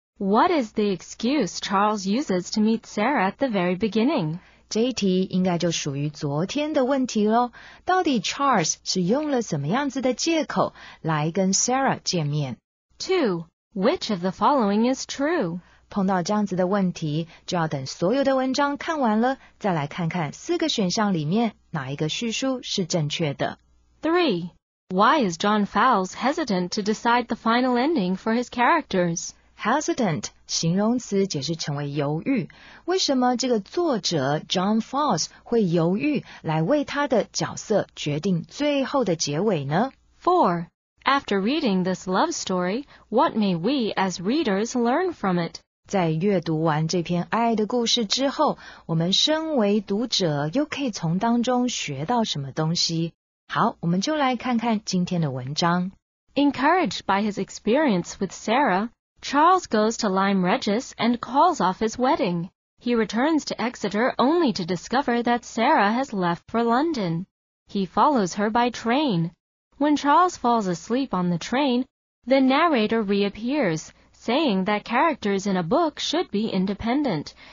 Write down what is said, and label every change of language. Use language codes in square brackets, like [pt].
[en] What is the excuse Charles uses to meet Sarah at the very beginning? [zh] 这一题应该就属于昨天的问题咯。到底 Charles 是用了什么样子的借口来跟 Sarah 见面？ [en] 2. Which of the following is true? [zh] 碰到这样子的问题，就要等所有的文章看完了，再来看看四个选项里面哪一个叙述是正确的。 [en] 3. Why is John Fowles hesitant to decide the final ending for his characters? [zh] Hesitant, 形容词解释成为犹豫。为什么这个作者 John Fowles 会犹豫来为他的角色决定最后的结尾呢？ 4. [en] After reading this love story, what may we as readers learn from it? [zh] 在阅读完这篇爱的故事之后，我们身为读者又可以从当中学到什么东西？好，我们就来看看今天的文章。 [en] Encouraged by his experience with Sarah, Charles goes to Lyme Regis and calls off his wedding. He returns to Exeter only to discover that Sarah has left for London. He follows her by train. When Charles falls asleep on the train, the narrator reappears, saying that characters in a book should be independent.